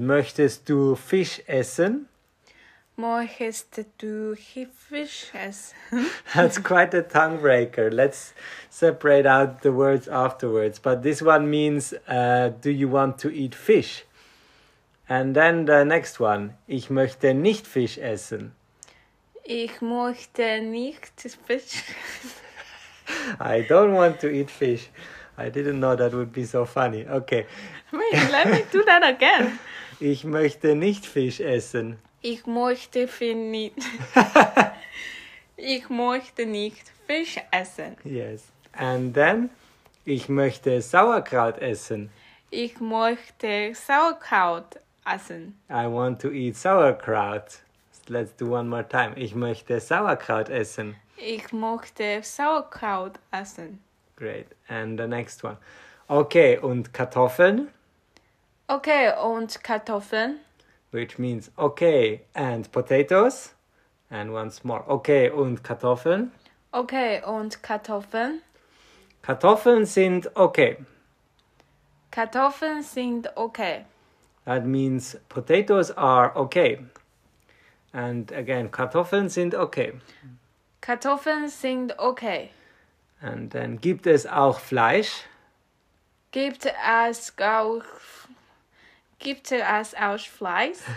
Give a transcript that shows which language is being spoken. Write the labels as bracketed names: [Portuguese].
[German] Möchtest du Fisch essen? Möchtest du Fisch essen? [English] That's quite a tongue breaker. Let's separate out the words afterwards. But this one means, do you want to eat fish? And then the next one. [German] Ich möchte nicht Fisch essen. Ich möchte nicht Fisch. [English] I don't want to eat fish. I didn't know that would be so funny. Okay. Wait, let me do that again. [German] Ich möchte nicht Fisch essen. Ich möchte nicht. Ich möchte nicht Fisch essen. [English] Yes. And then, [German] ich möchte Sauerkraut essen. Ich möchte Sauerkraut essen. [English] I want to eat Sauerkraut. Let's do one more time. [German] Ich möchte Sauerkraut essen. Ich möchte Sauerkraut essen. [English] Great. And the next one. Okay, [German] und Kartoffeln? Okay, und Kartoffeln? [English] Which means okay and potatoes. And once more. [German] Okay und Kartoffeln. Okay und Kartoffeln. Kartoffeln sind okay. Kartoffeln sind okay. [English] That means potatoes are okay. And again, [German] Kartoffeln sind okay. Kartoffeln sind okay. [English] And then [German] gibt es auch Fleisch? Gibt es auch Gibt es auch Fleisch?